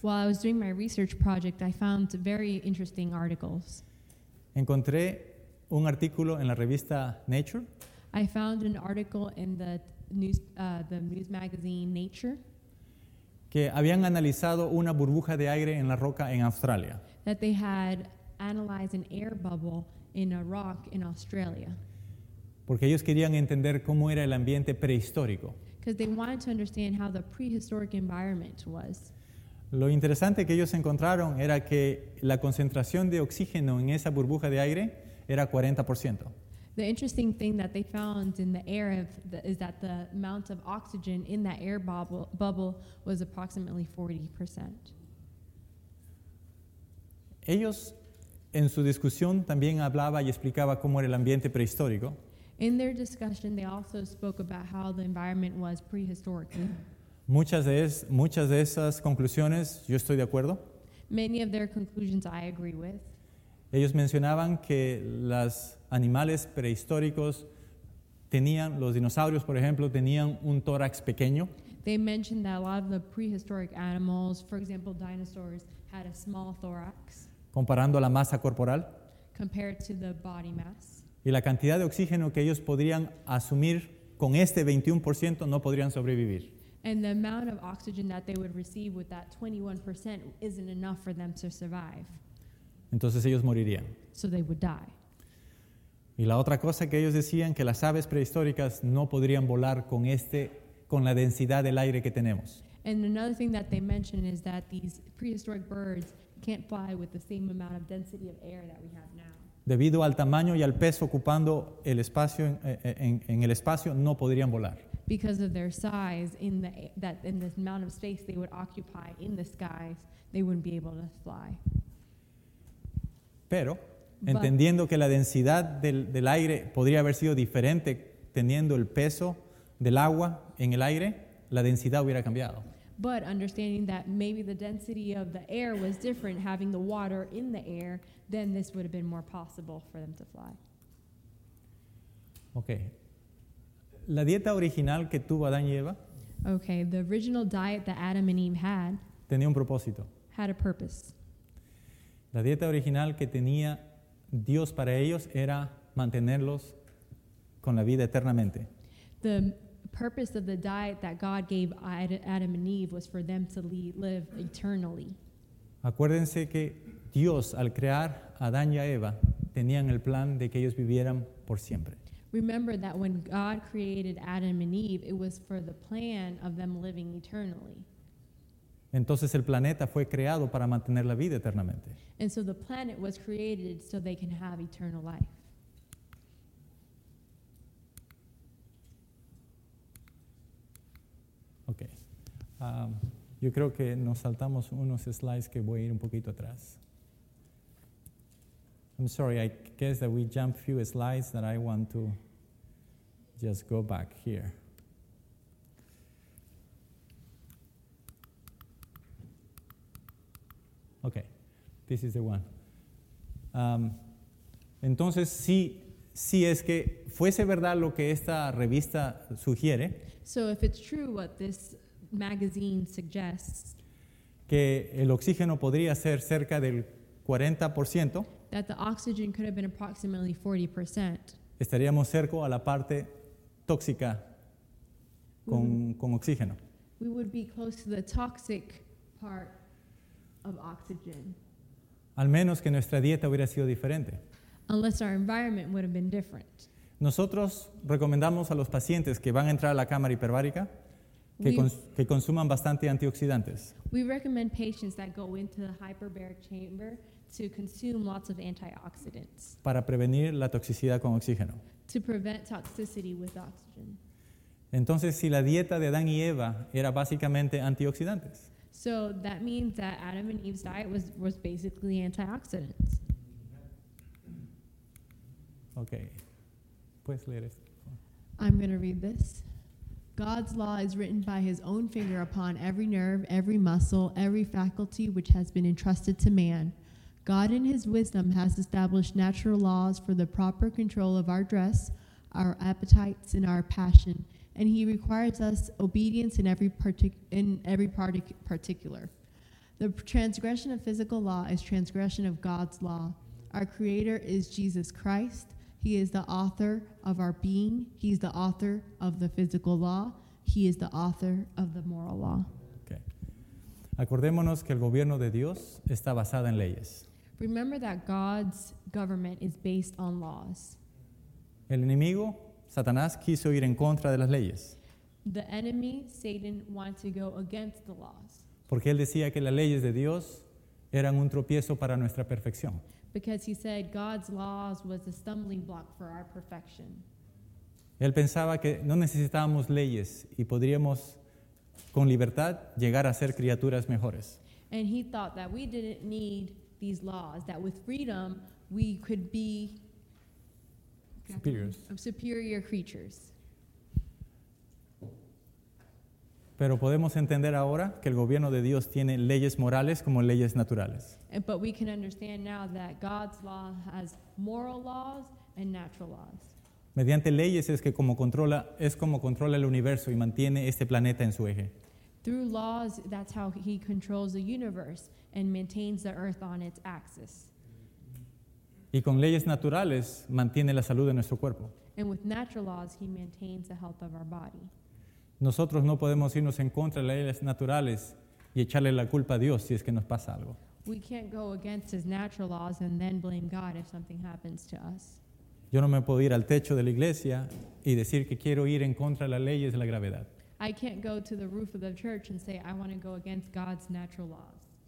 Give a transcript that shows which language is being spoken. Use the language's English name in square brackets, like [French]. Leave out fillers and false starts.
[English] While I was doing my research project, I found very interesting articles. [Spanish] Encontré un artículo en la revista Nature. [English] I found an article in the news magazine Nature. [Spanish] Que habían analizado una burbuja de aire en la roca en Australia. [English] That they had analyzed an air bubble in a rock in Australia. [Spanish] Porque ellos querían entender cómo era el ambiente prehistórico. [English] Because they wanted to understand how the prehistoric environment was. [Spanish] Lo interesante que ellos encontraron era que la concentración de oxígeno en esa burbuja de aire era 40%. [English] The interesting thing that they found in the air is that the amount of oxygen in that air bubble was approximately 40%. [Spanish] Ellos, en su discusión, también hablaba y explicaba cómo era el ambiente prehistórico. [English] In their discussion, they also spoke about how the environment was prehistorically. [Spanish] Muchas de esas conclusiones, yo estoy de acuerdo. [English] Many of their conclusions I agree with. [Spanish] Ellos mencionaban que los animales prehistóricos tenían, los dinosaurios, por ejemplo, tenían un tórax pequeño. [English] They mentioned that a lot of the prehistoric animals, for example, dinosaurs, had a small thorax. [Spanish] Comparando la masa corporal. [English] Compared to the body mass. [Spanish] Y la cantidad de oxígeno que ellos podrían asumir con este 21% no podrían sobrevivir. [English] And the amount of oxygen that they would receive with that 21% isn't enough for them to survive. [Spanish] Entonces ellos morirían. [English] So they would die. [Spanish] Y la otra cosa que ellos decían que las aves prehistóricas no podrían volar con este con la densidad del aire que tenemos. [English] And another thing that they mentioned is that these prehistoric birds can't fly with the same amount of density of air that we have now. [Spanish] Debido al tamaño y al peso ocupando el espacio en el espacio no podrían volar. [English] Because of their size in the amount of space they would occupy in the skies, they wouldn't be able to fly. [Spanish] Pero, entendiendo que la densidad del aire podría haber sido diferente teniendo el peso del agua en el aire, la densidad hubiera cambiado. [English] But understanding that maybe the density of the air was different, having the water in the air, then this would have been more possible for them to fly. Okay. [Spanish] La dieta original que tuvo Adán y Eva. [English] Okay, the original diet that Adam and Eve had. [Spanish] Tenía un propósito. [English] Had a purpose. [Spanish] La dieta original que tenía Dios para ellos era mantenerlos con la vida eternamente. [English] The purpose of the diet that God gave Adam and Eve was for them to live eternally. [Spanish] Acuérdense que Dios, al crear a Adán y a Eva, tenían el plan de que ellos vivieran por siempre. [English] Remember that when God created Adam and Eve, it was for the plan of them living eternally. [Spanish] Entonces el planeta fue creado para mantener la vida eternamente. [English] And so the planet was created so they can have eternal life. Okay. [Spanish] Yo creo que nos saltamos unos slides que voy a ir un poquito atrás. [English] I'm sorry, I guess that we jumped a few slides that I want to just go back here. Okay, this is the one. [Spanish] Entonces, si es que fuese verdad lo que esta revista sugiere. [English] So if it's true what this magazine suggests. [Spanish] Que el oxígeno podría ser cerca del 40%. [English] That the oxygen could have been approximately 40%. [Spanish] Estaríamos cerca a la parte tóxica con oxígeno. [English] We would be close to the toxic part. Of oxygen. [Spanish] Al menos que nuestra dieta hubiera sido diferente. [English] Unless our environment would have been different. [Spanish] Nosotros recomendamos a los pacientes que van a entrar a la cámara hiperbárica que consuman bastante antioxidantes. [English] We recommend patients that go into the hyperbaric chamber to consume lots of antioxidants. [Spanish] Para prevenir la toxicidad con oxígeno. [English] To prevent toxicity with oxygen. [Spanish] Entonces, si la dieta de Adán y Eva era básicamente antioxidantes. [English] So that means that Adam and Eve's diet was basically antioxidants. [Spanish] Okay. Puedes leer esto. [English] I'm going to read this. God's law is written by his own finger upon every nerve, every muscle, every faculty which has been entrusted to man. God in his wisdom has established natural laws for the proper control of our dress, our appetites, and our passion, and he requires us obedience in every particular. The transgression of physical law is transgression of God's law. Our Creator is Jesus Christ. He is the author of our being. He's the author of the physical law. He is the author of the moral law. Okay. [Spanish] Acordémonos que el gobierno de Dios está basado en leyes. [English] Remember that God's government is based on laws. [Spanish] El enemigo, Satanás, quiso ir en contra de las leyes. [English] The enemy, Satan, wanted to go against the laws. [Spanish] Porque él decía que las leyes de Dios eran un tropiezo para nuestra perfección. [English] Because he said God's laws was a stumbling block for our perfection. [Spanish] Él pensaba que no necesitábamos leyes y podríamos con libertad llegar a ser criaturas mejores. [English] And he thought that we didn't need these laws, that with freedom we could be superior creatures. [Spanish] Pero podemos entender ahora que el gobierno de Dios tiene leyes morales como leyes naturales. [English] But we can understand now that God's law has moral laws and natural laws. [Spanish] Mediante leyes es como controla el universo y mantiene este planeta en su eje. [English] Through laws, that's how he controls the universe and maintains the earth on its axis. [Spanish] Y con leyes naturales mantiene la salud de nuestro cuerpo. [English] And with natural laws, he maintains the health of our body. [Spanish] Nosotros no podemos irnos en contra de las leyes naturales y echarle la culpa a Dios si es que nos pasa algo. [English] We can't go against his natural laws and then blame God if something happens to us. [Spanish] Yo no me puedo ir al techo de la iglesia y decir que quiero ir en contra de las leyes de la gravedad. [English] I can't go to the roof of the church and say I want to go against God's natural laws.